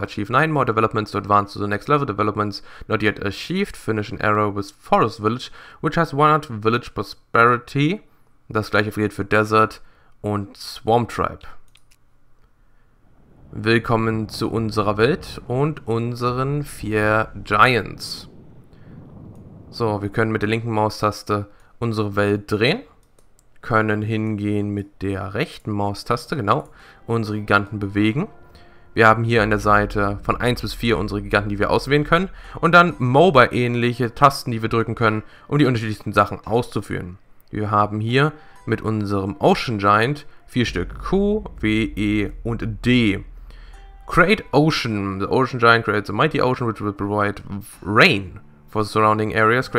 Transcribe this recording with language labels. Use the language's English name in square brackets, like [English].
[English] Achieve 9 more developments to advance to the next level. Developments not yet achieved. Finish an era with Forest Village, which has 100 village prosperity. [German] Das gleiche gilt für Desert und Swarm Tribe. Willkommen zu unserer Welt und unseren 4 Giants. So, wir können mit der linken Maustaste unsere Welt drehen. Können hingehen mit der rechten Maustaste, genau, unsere Giganten bewegen. Wir haben hier an der Seite von 1 bis 4 unsere Giganten, die wir auswählen können. Und dann MOBA-ähnliche Tasten, die wir drücken können, um die unterschiedlichsten Sachen auszuführen. Wir haben hier mit unserem Ocean Giant 4 Stück Q, W, E und D. [English] Create Ocean. The Ocean Giant creates a mighty ocean which will provide rain for the surrounding areas.